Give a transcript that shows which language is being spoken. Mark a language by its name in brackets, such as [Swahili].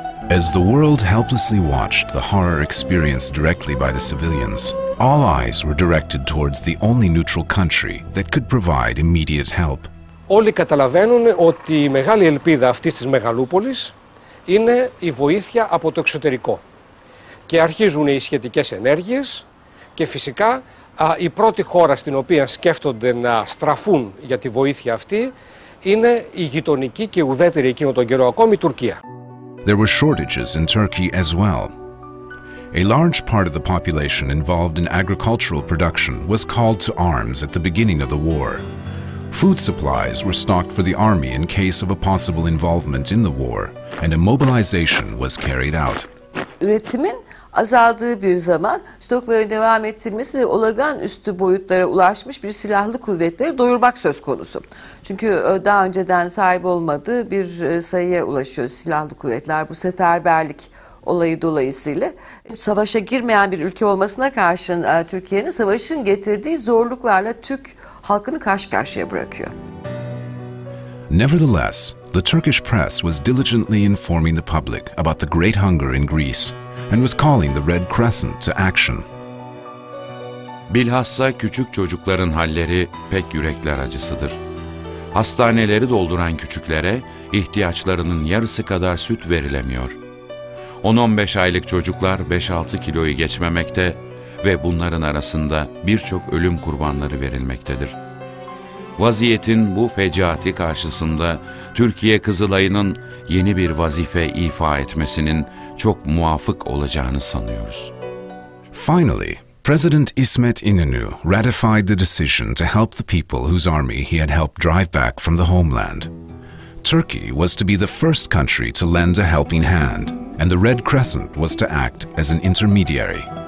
[English] as the world helplessly watched the horror experienced directly by the civilians, all eyes were directed towards the only neutral country that could provide immediate help. [Greek] Όλοι καταλαβαίνουν ότι η μεγάλη ελπίδα αυτής της Μεγαλούπολης είναι η βοήθεια από το εξωτερικό. Και αρχίζουν οι σχετικές ενέργειες και φυσικά η πρώτη χώρα στην οποία σκέφτονται να στραφούν για τη βοήθεια αυτή είναι η γειτονική και ουδέτερη εκείνο τον καιρό ακόμη η Τουρκία. [English] There were shortages in Turkey as well. A large part of the population involved in agricultural production was called to arms at the beginning of the war. Food supplies were stocked for the army in case of a possible involvement in the war, and a mobilization was carried out. [Turkish] Üretimin azaldığı bir zaman stokların devam ettirilmesi ve olağan üstü boyutlara ulaşmış bir silahlı kuvvetleri doyurmak söz konusu. Çünkü daha önceden sahip olmadığı bir sayıya ulaşıyor silahlı kuvvetler bu seferberlik olayı dolayısıyla. Savaşa girmeyen bir ülke olmasına karşın Türkiye'nin savaşın getirdiği zorluklarla Türk halkını karşı karşıya bırakıyor. [English] Nevertheless, the Turkish press was diligently informing the public about the great hunger in Greece and was calling the Red Crescent to action. [Turkish] Bilhassa küçük çocukların halleri pek yürekler acısıdır. Hastaneleri dolduran küçüklere ihtiyaçlarının yarısı kadar süt verilemiyor. 10-15 aylık çocuklar 5-6 kiloyu geçmemekte ve bunların arasında birçok ölüm kurbanları verilmektedir. Vaziyetin bu fecaati karşısında Türkiye Kızılay'ının yeni bir vazife ifa etmesinin çok muvafık olacağını sanıyoruz. [English] Finally, President İsmet İnönü ratified the decision to help the people whose army he had helped drive back from the homeland. Turkey was to be the first country to lend a helping hand, and the Red Crescent was to act as an intermediary.